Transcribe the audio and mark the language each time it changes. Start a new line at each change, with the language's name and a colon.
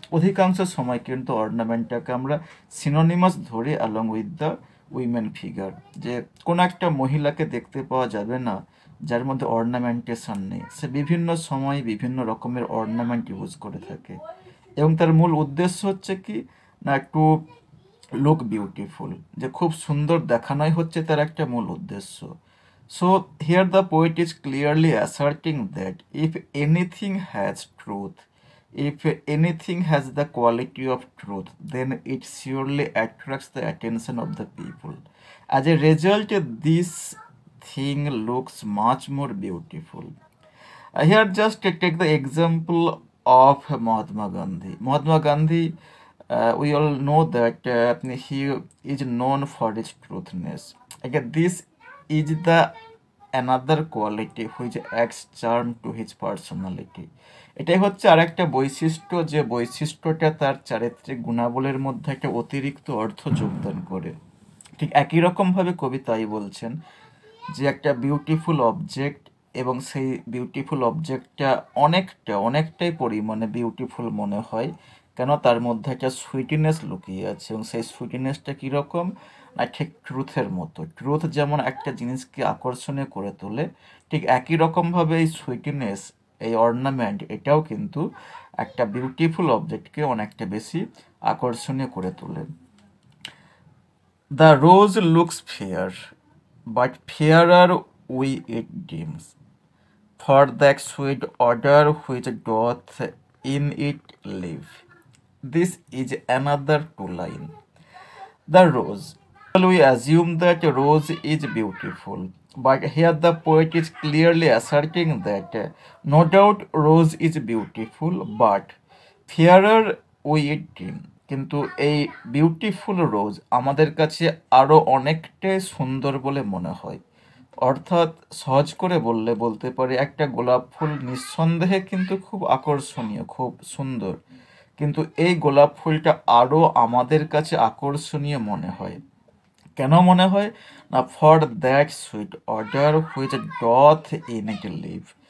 Bangla: অধিকাংশ সময় কিন্তু অর্নামেন্টটাকে আমরা সিনোনিমাস ধরি
English: along with the women figure,
Bangla: যে কোনো একটা মহিলাকে দেখতে পাওয়া যাবে না যার মধ্যে অর্নামেন্টেশন নেই। সে বিভিন্ন সময় বিভিন্ন রকমের অর্নামেন্ট ইউজ করে থাকে এবং তার মূল উদ্দেশ্য হচ্ছে কি না, একটু লুক বিউটিফুল, যে খুব সুন্দর দেখানোই হচ্ছে তার একটা মূল উদ্দেশ্য।
English: So here the poet is clearly asserting that if anything has truth, if anything has the quality of truth, then it surely attracts the attention of the people. As a result, this thing looks much more beautiful. Here just to take the example of Mahatma Gandhi. Mahatma Gandhi, we all know that he is known for his truthness. Again, this is the another quality which adds charm to his personality.
Bangla: এটাই হচ্ছে আর একটা বৈশিষ্ট্য, যে বৈশিষ্ট্যটা তার চারিত্রিক গুণাবলীর মধ্যে একটা অতিরিক্ত অর্থ যোগদান করে। ঠিক একই রকমভাবে কবি তাই বলছেন যে একটা বিউটিফুল অবজেক্ট এবং সেই বিউটিফুল অবজেক্টটা অনেকটা অনেকটাই পরিমাণে বিউটিফুল মনে হয়, কেন তার মধ্যে একটা সুইটনেস লুকিয়ে আছে এবং সেই সুইটনেসটা কীরকম না, ঠিক ট্রুথের মতো। ট্রুথ যেমন একটা জিনিসকে আকর্ষণীয় করে তোলে, ঠিক একই রকমভাবে এই সুইটনেস, এই অর্নামেন্ট, এটাও কিন্তু একটা বিউটিফুল অবজেক্টকে অনেকটা বেশি আকর্ষণীয় করে তোলে।
English: The rose looks fair but fairer we it deems for that sweet odour which doth in it live. This is another two line. The rose, well, we assume that rose is beautiful, but here the poet is clearly asserting that no doubt rose is beautiful, but fairer we dream,
Bangla: কিন্তু এই beautiful রোজ আমাদের কাছে আরও অনেকটাই সুন্দর বলে মনে হয়। অর্থাৎ সহজ করে বললে বলতে পারি, একটা গোলাপ ফুল নিঃসন্দেহে কিন্তু খুব আকর্ষণীয়, খুব সুন্দর, কিন্তু এই গোলাপ ফুলটা আরও আমাদের কাছে আকর্ষণীয় মনে হয়। কেন মনে হয় না,
English: For that sweet odour which doth in it live.